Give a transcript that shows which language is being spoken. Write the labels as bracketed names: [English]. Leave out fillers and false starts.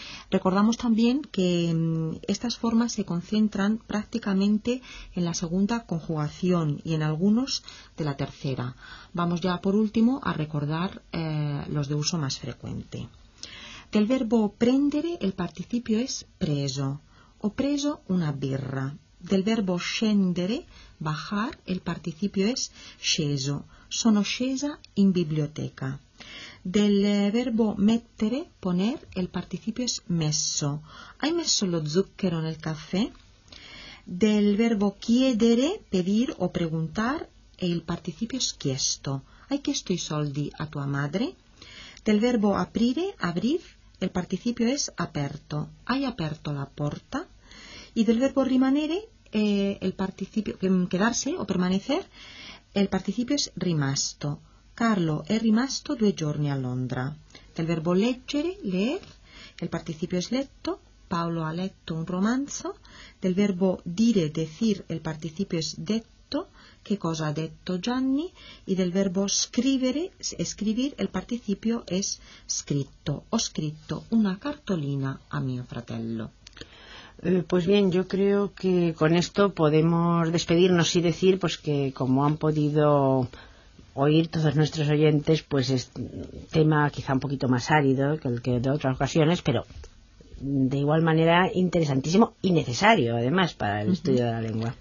[Spanish] Recordamos también que estas formas se concentran prácticamente en la segunda conjugación y en algunos de la tercera. Vamos ya por último a recordar los de uso más frecuente. Del verbo prendere el participio es preso. [Italian] Ho preso una birra. [Spanish] Del verbo scendere, bajar, el participio es sceso. [Italian] Sono scesa in biblioteca. [Spanish] Del verbo mettere, poner, el participio es messo. [Italian] ¿Hai messo lo zucchero nel caffè? [Spanish] Del verbo chiedere, pedir o preguntar, el participio es chiesto. [Italian] ¿Hai chiesto i soldi a tua madre? [Spanish] Del verbo aprire, abrir, el participio es aperto. [Italian] ¿Hai aperto la porta? [Spanish] Y del verbo rimanere, el participio quedarse o permanecer, el participio es rimasto. [Italian] Carlo è rimasto due giorni a Londra. [Spanish] Del verbo leggere, leer, el participio es letto. [Italian] Paolo ha letto un romanzo. [Spanish] Del verbo dire, decir, el participio es detto. ¿Qué [Italian] cosa ha detto Gianni? [Spanish] Y del verbo scrivere, escribir, el participio es scritto. [Italian] Ho scritto una cartolina a mio fratello. [Spanish] Pues bien, yo creo que con esto podemos despedirnos y decir pues que, como han podido oír todos nuestros oyentes, pues es tema quizá un poquito más árido que el que de otras ocasiones, pero de igual manera interesantísimo y necesario, además, para el estudio de la lengua.